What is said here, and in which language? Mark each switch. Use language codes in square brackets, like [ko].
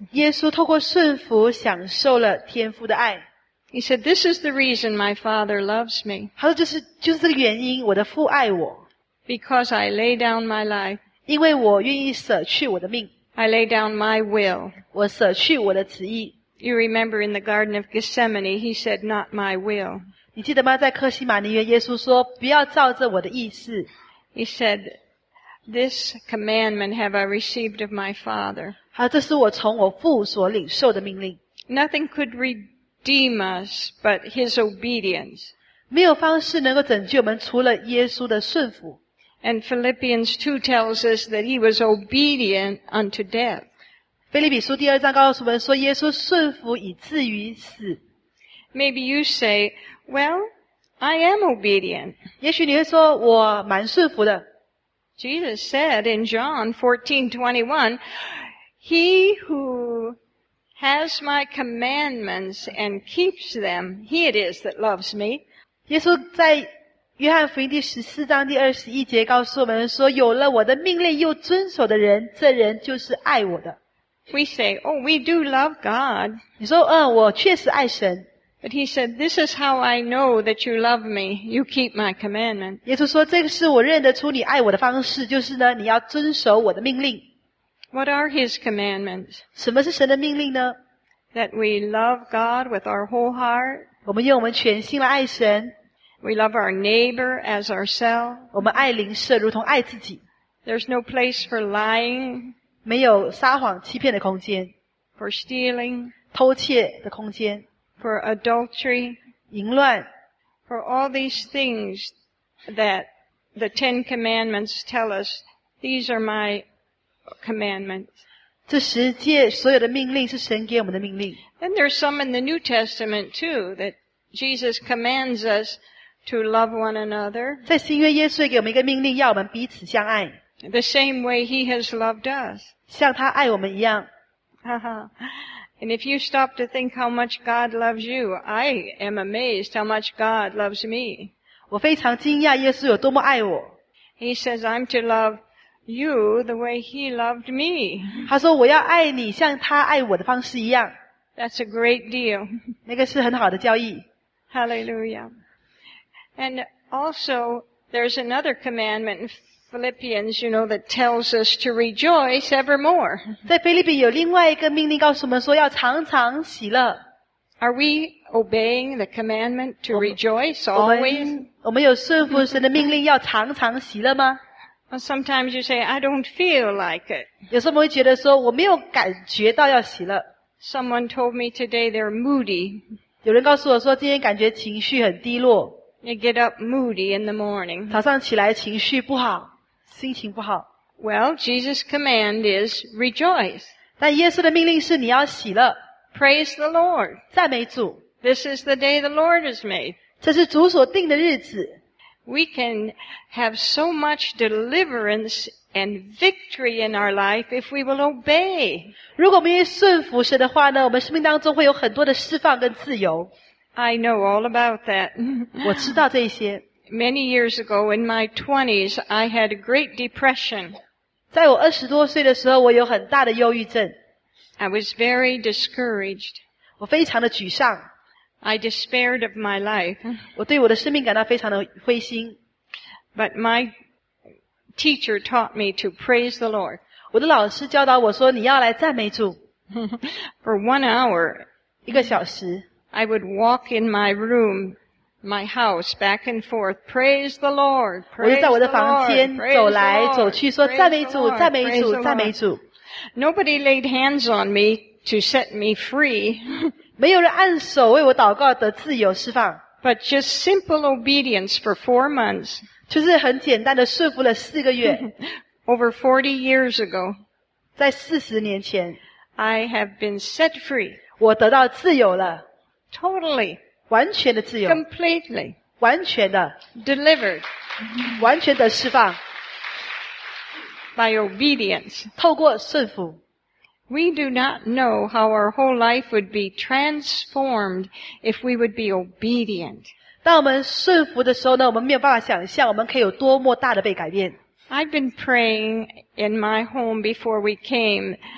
[zh] 耶稣透过顺服享受了天父的爱。 [en] He said, this is the reason my Father loves me. [zh] 他说就是这个原因我的父爱我。 [en] Because I lay down my life. [zh] 因为我愿意舍去我的命。 [en] I lay down my will. [zh] 我舍去我的旨意。 [en] You remember in the Garden of Gethsemane, he said, not my will. [zh] 你记得吗在克西马尼园耶稣说不要照着我的意思。 [en] He said, this commandment have I received of my Father. [zh] 好这是我从我父所领受的命令。 [en] Nothing could redeem us but his obedience. [zh] 没有方式能够拯救我们除了耶稣的顺服。 [en] And Philippians 2 tells us that he was obedient unto death. [zh] 腓立比书第二章告诉我们说耶稣顺服以至于死。 [en] Maybe you say, well, I am obedient. [zh] 也许你会说我蛮顺服的。 [en] Jesus said in John 14:21, He who has my commandments and keeps them, he it is that loves me. [zh] 耶稣在约翰福音第十四章第二十一节告诉我们说，有了我的命令又遵守的人，这人就是爱我的。 [en] We say, oh, we do love God. [zh] 你说，嗯，我确实爱神。 [en] But he said, this is how I know that you love me. You keep my commandment. [zh] 耶稣说，这个是我认得出你爱我的方式，就是呢，你要遵守我的命令。 [en] What are his commandments? [zh] 什么是神的命令呢？ [en] That we love God with our whole heart. [zh] 我们用我们全心来爱神。 [en] We love our neighbor as ourselves. [zh] 我们爱邻舍如同爱自己。 [en] There's no place for lying. [zh] 没有撒谎欺骗的空间。 [en] For stealing. [zh] 偷窃的空间。 [en] For adultery. [zh] 淫乱。 [en] For all these things that the Ten Commandments tell us, these are my commandments. [zh] 这十诫所有的命令是神给我们的命令。 [en] And there's some in the New Testament too that Jesus commands us to love one another. [zh] 在新约耶稣给我们一个命令，要我们彼此相爱。 [en] The same way he has loved us. [zh] 像他爱我们一样。 [en] And if you stop to think how much God loves you, I am amazed how much God loves me. [zh] 我非常惊讶耶稣有多么爱我。 [en] He says, I'm to love you the way he loved me. [zh] 他说我要爱你像他爱我的方式一样。 [en] That's a great deal. [zh] 那个是很好的交易。 [en] Hallelujah. And also, there's another commandment in Philippians, you know, that tells us to rejoice evermore. [zh] 在腓立比有另外一个命令告诉我们说要常常喜乐。 [en] Are we obeying the commandment to rejoice always? [zh] 我们有顺服神的命令要常常喜乐吗？ [en] Well, sometimes you say, I don't feel like it. [zh] 有时候我们会觉得说我没有感觉到要喜乐。 [en] Someone told me today they're moody. [zh] 有人告诉我说今天感觉情绪很低落。 [en] You get up moody in the morning. [zh] 早上起来情绪不好，心情不好。 [en] Well, Jesus' command is rejoice. [zh] 但耶稣的命令是你要喜乐。 [en] Praise the Lord. [zh] 赞美主。 [en] This is the day the Lord has made. [zh] 这是主所定的日子。 [en] We can have so much deliverance and victory in our life if we will obey. [zh] 如果我们愿意顺服神的话呢，我们生命当中会有很多的释放跟自由。 [en] I know all about that. [zh] 我知道这些。 [en] Many years ago, in my 20s, I had a great depression. [zh] 在我二十多岁的时候，我有很大的忧郁症。 [en] I was very discouraged. [zh] 我非常的沮丧。 [en] I despaired of my life. [zh] 我对我的生命感到非常的灰心。 [en] But my teacher taught me to praise the Lord. [zh] 我的老师教导我说，你要来赞美主。 [en] For 1 hour. [zh] 一个小时。 [en] I would walk in my room, my house, back and forth, praise the Lord, praise the Lord, praise the Lord, praise the Lord. Nobody laid hands on me to set me free. [zh] 没有人按手为我祷告得自由释放。 [en] But just simple obedience for 4 months. [zh] 就是很简单的顺服了四个月。 [en] Over 40 years ago. [zh] 在40年前。 [en] I have been set free. [zh] 我得到自由了。 [en] Totally. [zh] 完全的自由。 [en] Completely. [zh] 完全的。 [en] Delivered. [zh] 完全的释放。 [en] By obedience. [zh] 透过顺服。 [en] We do not know how our whole life would be transformed if we would be obedient. [zh] 当我们顺服的时候呢，我们没有办法想象我们可以有多么大的被改变。 [en] I've been praying in my home before we came.